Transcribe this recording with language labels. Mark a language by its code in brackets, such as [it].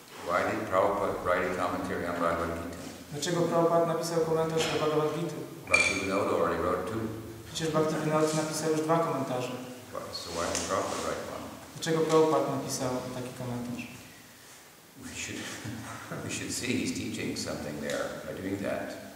[en] Why did Prabhupada write a commentary on Bhagavad Gita? [pl] Dlaczego Prabhupada napisał komentarz do Bhagavad Gita? [en] Bhaktivinoda already wrote two. [pl] Przecież Bhaktivinoda napisał już dwa komentarze. [en] So why did Prabhupada write one? [pl] Dlaczego Prabhupada napisał taki komentarz? [en] We should see he's teaching something there by doing that.